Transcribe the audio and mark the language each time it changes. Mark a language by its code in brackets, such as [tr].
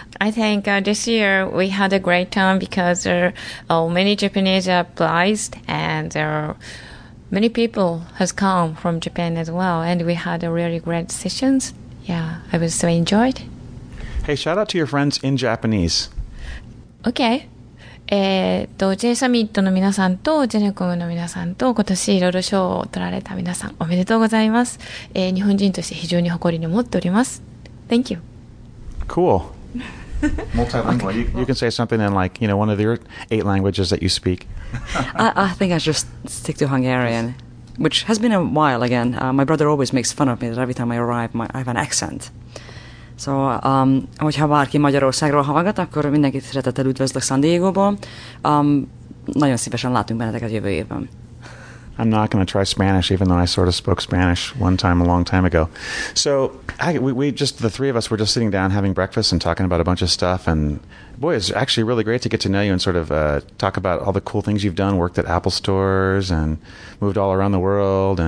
[en] I think this year we had a great time because there are many Japanese applied, and there are many people has come from Japan as well. And we had a really great sessions. Yeah, I was so enjoyed. Hey, shout out to your friends in Japanese. Okay. [ja] J サミットの皆さんとジェネコムの皆さんと今年いろいろ賞を取られた皆さんおめでとうございます、日本人として非常に誇りに思っております [en] Thank you Cool Multilingual. Okay. You can say something in like, you know, one of your eight languages that you speak I think I should stick to Hungarian which has been a while again. My brother always makes fun of me that every time I arrive, I have an accent. [hu] So, hogyha bárki Magyarországról hallgat, akkor mindenkit szeretettel üdvözlök San Diego-ból. Nagyon szívesen látunk benneteket jövő évben. [en] I'm not going to try Spanish, even though I sort of spoke Spanish one time a long time ago. So the three of us were just sitting down having breakfast and talking about a bunch of stuff. And boy, it's actually really great to get to know you and sort of talk about all the cool things you've done, worked at Apple stores and moved all around the world.